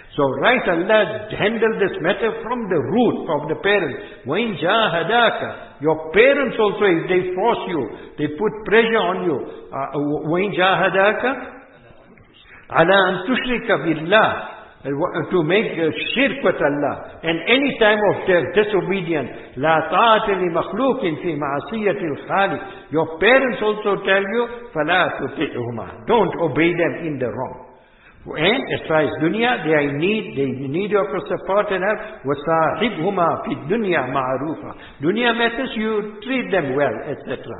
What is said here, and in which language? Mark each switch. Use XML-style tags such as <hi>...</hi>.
<en>So right, Allah handled this matter from the root of the parents.</en> <ar>وَإِن جَاهَدَاكَ.</ar> <en>Your parents also, if they force you, they put pressure on you.</en> <ar>وَإِن جَاهَدَاكَ عَلَىٰ أَن تُشْرِكَ بِاللَّهِ.</ar> <en>To make shirk with Allah. And any time of disobedience,</en> <ar>لَا تَعَاتَ لِمَخْلُوقٍ فِي مَعَصِيَةِ الْخَالِقِ.</ar> <en>Your parents also tell you,</en> <ar>فَلَا تُطِعْهُمَا.</ar> <en>Don't obey them in the wrong. And as far as dunya, they need your support and help.</en> <ar>وَسَاحِبْهُمَا فِي الدُّنْيَا مَعْرُوفًا.</ar> <en>Dunya matters, you treat them well, etc.</en>